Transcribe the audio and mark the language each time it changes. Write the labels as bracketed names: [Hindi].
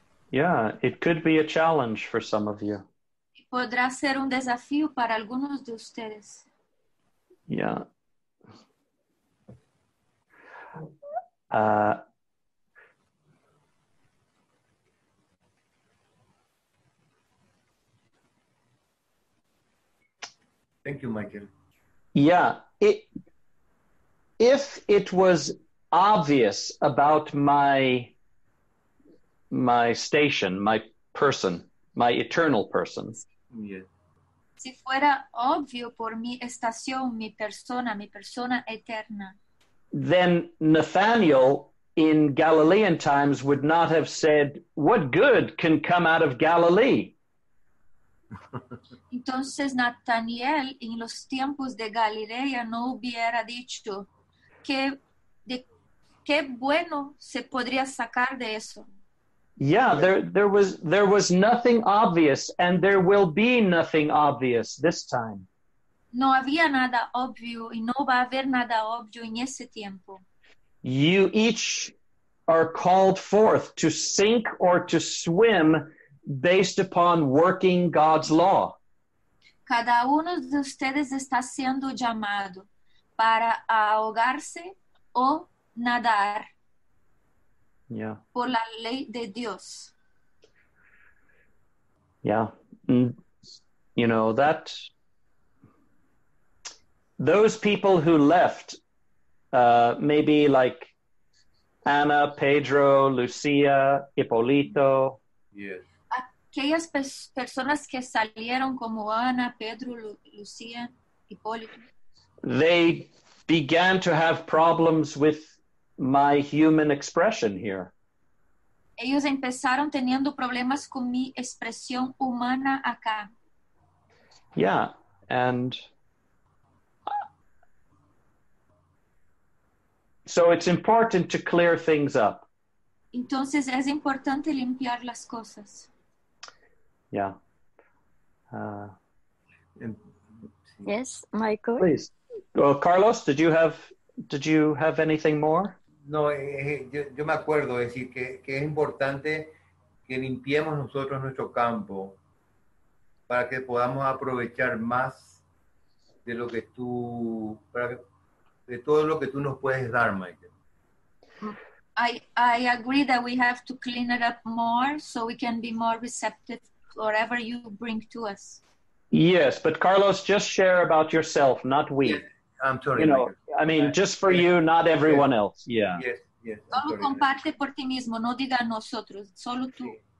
[English] yeah, it could be a challenge for some of you. [Spanish] Podrá ser un desafío para algunos de ustedes. [English] Yeah. Thank you, Michael. Yeah, if it was obvious about my station, my person, my eternal person. Yes. [Spanish] Si fuera obvio por mi estación, mi persona eterna. [English] Then Nathaniel in Galilean times would not have said, "What good can come out of Galilee?" [Spanish] Entonces Nathaniel en los tiempos de Galilea no hubiera dicho que qué bueno se podría sacar de eso. [English] Yeah, there was nothing obvious, and there will be nothing obvious this time. [Spanish] No había nada obvio y no va a haber nada obvio en ese tiempo. [English] You each are called forth to sink or to swim based upon working God's law. [Spanish] Cada uno de ustedes está siendo llamado para ahogarse o nadar. [English] Yeah. [Spanish] Por la ley de Dios. [English] Yeah. You know, that those people who left, maybe like Anna, Pedro, Lucia, Hipólito. Yes. [Spanish] Aquellas personas que salieron como Ana, Pedro, Lucia, Hipólito. [English] They began to have problems with my human expression here. [Spanish] Ellos empezaron teniendo problemas con mi expresión humana acá. [English] Yeah, and so it's important to clear things up. [Spanish] Entonces es importante limpiar las cosas. [English] Yeah. Yes, Michael. Please. Well, Carlos, did you have anything more? [Spanish] No, yo me acuerdo decir que es importante que limpiemos nosotros nuestro campo para que podamos aprovechar más de lo que tú, de todo lo que tú nos puedes dar, Michael. [English] I agree that we have to clean it up more so we can be more receptive whatever you bring to us. Yes, but Carlos, just share about yourself, not we. Yes. I'm sorry. You know, Michael. I mean, just for you, not everyone else. Yeah. Yes. [Spanish] Solo comparte por ti mismo, no diga nosotros, solo tú.